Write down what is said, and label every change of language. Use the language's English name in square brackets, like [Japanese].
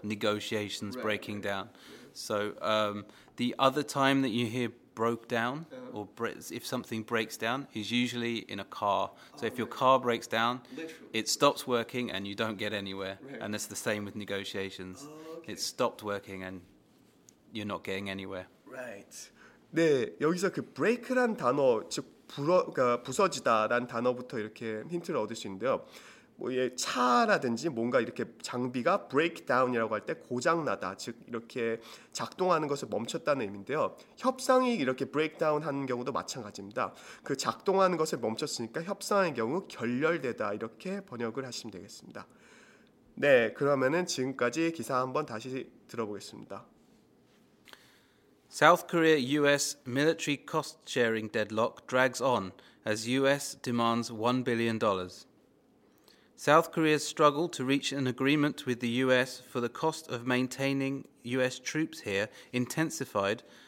[English] Negotiations right. breaking down. So the other time that you hear broke down uh-huh. If something breaks down is usually in a car. So if your car breaks down, literally. It stops working and you don't get anywhere. Right. And that's the same with negotiations. Okay. It stopped working and you're not getting anywhere. Right. [Korean] 네, 여기서 그 break란 단어, 즉 그러니까 부서지다라는 단어부터 이렇게 힌트를 얻을 수 있는데요. 뭐 예, 차라든지 뭔가 이렇게 장비가 breakdown이라고 할 때 고장나다 즉 이렇게 작동하는 것을 멈췄다는 의미인데요 협상이 이렇게 breakdown 하는 경우도 마찬가지입니다 그 작동하는 것을 멈췄으니까 협상의 경우 결렬되다 이렇게 번역을 하시면 되겠습니다 네 그러면은 지금까지 기사 한번 다시 들어보겠습니다 [English] South Korea US military cost sharing deadlock drags on as US demands $1 billion South Korea's struggle to reach an agreement with the US for the cost of maintaining US troops here intensified